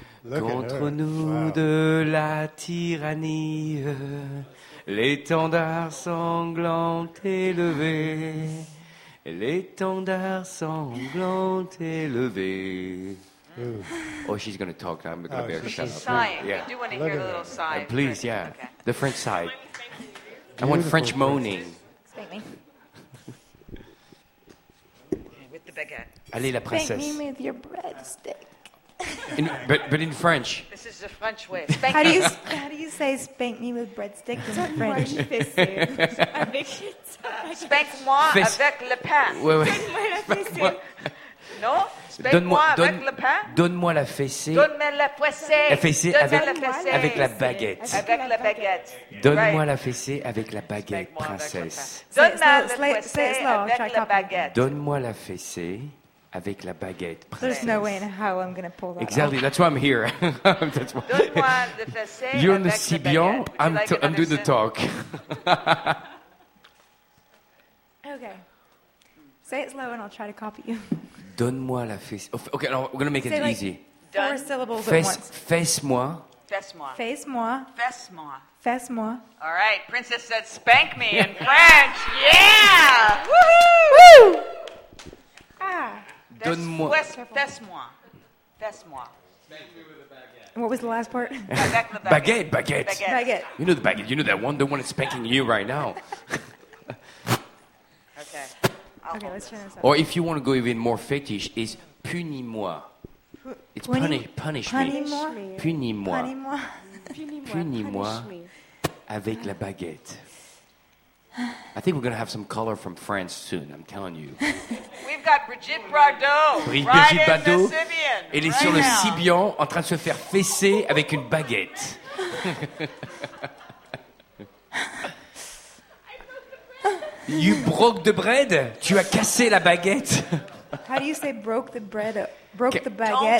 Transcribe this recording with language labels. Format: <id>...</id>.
<fr>Contre nous de la tyrannie, l'étendard sanglant élevé, l'étendard sanglant élevé.</fr> <en>Oh, she's going to talk. I'm going to be able to shut up. She's sighing. Yeah. I do want to hear the little sigh. Please, yeah. Okay. The French sigh. I want French moaning. Spank me. With the baguette.</en> <fr>Allez, la princesse.</fr> <en>Spank me with your breadstick. But in French. This is the French way. How do you say spank me with breadstick in French?</en> <fr>Spank moi avec le pain. Spank moi la fessée. Non, spank moi avec le pain. Donne-moi la fessée. Donne-moi la fessée. La fessée avec la baguette. Avec la baguette. Donne-moi la fessée avec la baguette, princesse. Donne-moi la fessée avec la baguette. Donne-moi la fessée avec la baguette, princesse.</fr> <en>There's no way in hell I'm going to pull that exactly off. That's why I'm here. That's</en> <fr>why. Donne-moi la fessée avec la baguette.</fr> <en>You're on the Sibian. I'm doing the talk. Okay. Say it slow and I'll try to copy you.</en> <fr>Donne-moi la fessée.</fr> <en>Okay, no, we're going to make say it easy. Four syllables at once.</en> <fr>Fesse-moi. Fesse-moi. Fesse-moi. Fesse-moi. Fesse-moi.</fr> <en>All right, princess said spank me in French. Yeah! Woohoo! Woo!</en> <fr>Ah. Donne-moi. Fesse-moi. Fesse-moi.</fr> <en>What was the last part?</en> <fr>Baguette, baguette. Baguette.</fr> <en>You know the baguette. You know that one. The one that's spanking you right now. Okay. Okay, let's or if you want to go even more fetish, is</en> <fr>puni-moi.</fr> <en>It's punish me.</en> <fr>Puni-moi. Puni-moi. Avec la baguette.</fr> <en>I think we're going to have some color from France soon, I'm telling you. We've got Brigitte Bardot. Brigitte Bardot.</en> <fr>Elle est sur le Sibian en train de se faire fesser avec une baguette.</fr> <en>You broke the bread?</en> <fr>Tu as cassé la baguette?</fr> <en>How do you say broke the bread? Broke the baguette</en>